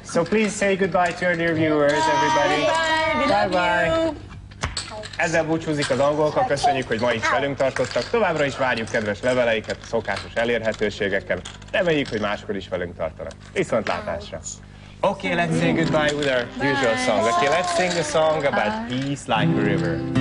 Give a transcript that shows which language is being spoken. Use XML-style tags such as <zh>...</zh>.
<en>So please say goodbye to our dear viewers, everybody. Bye.</en> <hu>Ezzel búcsúzik az angolkal, köszönjük, hogy ma itt velünk tartottak. Továbbra is várjuk kedves leveleiket, szokásos elérhetőségekkel. Reméljük, hogy máskor is velünk tartanak. Viszontlátásra!</hu> <en>Okay, let's say goodbye with our usual song. Okay, let's sing a song about peace like a river.</en>